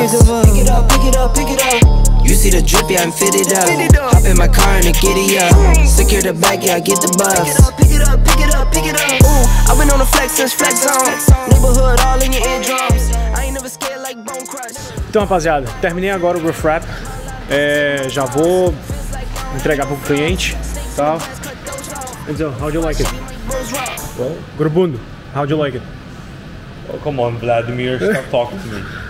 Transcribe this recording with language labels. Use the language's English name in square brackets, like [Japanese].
[English] Pick it up, pick it up, pick it up. You see the drip, yeah, I'm fitted up. Hop in my car and a giddy up. Secure the bag, yeah, I get the bus. Pick it up, pick it up, pick it up, pick it up. Ooh, I've been on the flex since flex zone. Neighborhood all in your eardrums. I ain't never scared like bone crush. [Portuguese] Então, rapaziada, terminei agora o roof wrap. É, já vou entregar pro cliente. Tá? [English] Enzo, how do you like it? Well, Grubundo, how do you like it? Oh, come on, Vladimir, stop talking to me.